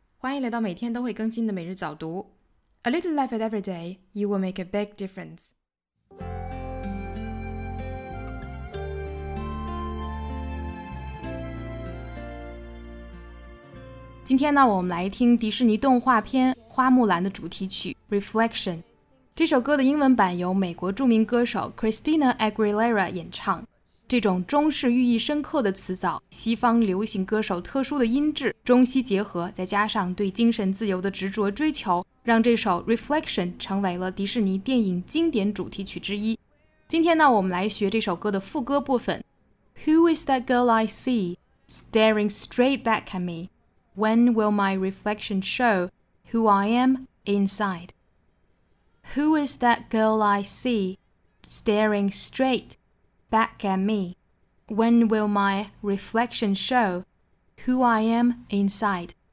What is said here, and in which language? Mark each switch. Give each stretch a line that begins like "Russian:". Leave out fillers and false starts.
Chinese: 欢迎来到每天都会更新的每日早读。
English: A little life at every day, you will make a big difference.
Chinese: 今天呢，我们来听迪士尼动画片《花木兰》的主题曲《Reflection》。这首歌的英文版由美国著名歌手 Christina Aguilera 演唱。这种中式寓意深刻的词藻，西方流行歌手特殊的音质，中西结合，再加上对精神自由的执着追求，让这首 Reflection 成为了迪士尼电影经典主题曲之一。今天呢，我们来学这首歌的副歌部分。
English: Who is that girl I see, staring straight back at me? When will my reflection show who I am inside? Who is that girl I see, staring straightBack at me. When will my reflection show who I am inside?